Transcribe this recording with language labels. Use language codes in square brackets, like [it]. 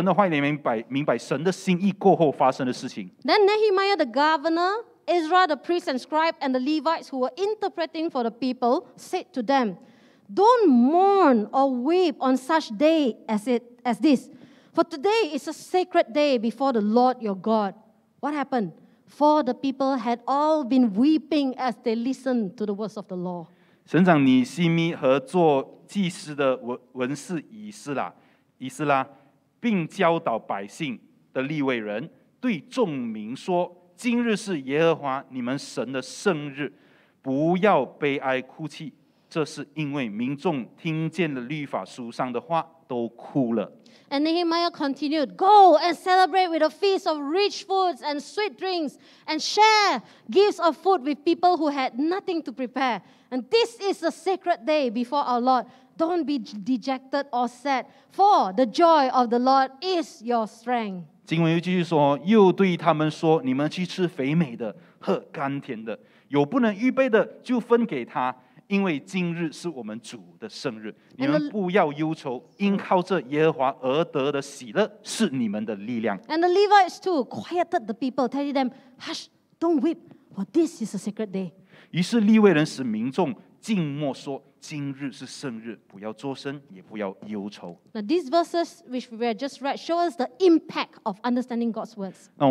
[zh] 我们继续来看第九节到十一节的时候，这些透过神的话语明白神的心意过后发生的事情。 [en] Then Nehemiah the governor, Ezra, the priest and scribe, and the Levites who were interpreting for the people said to them, don't mourn or weep on such day as this, for today is a sacred day before the Lord your God. What happened? For the people had all been weeping as they listened to the words of the law. [zh] 省长尼西米和做祭司的文士以斯拉，并教导百姓的利未人对众民说， 今日是耶和华你们神的圣日，不要悲哀哭泣，这是因为民众听见了律法书上的话都哭了。 [en] And Nehemiah continued, go and celebrate with a feast of rich foods and sweet drinks and share gifts of food with people who had nothing to prepare. And this is a sacred day before our Lord. Don't be dejected or sad, for the joy of the Lord is your strength. [zh] 经文又继续说，又对他们说：“你们去吃肥美的，喝甘甜的，有不能预备的，就分给他，因为今日是我们主的圣日。你们不要忧愁，因靠着耶和华而得的喜乐是你们的力量。” [en] And the Levites too quieted the people, telling them, "Hush, don't weep, for this is a sacred day." [zh] 于是利未人使民众静默说， 今日是圣日，不要作声，也不要忧愁。 [en] Now these verses which we have just read show us the impact of understanding God's words.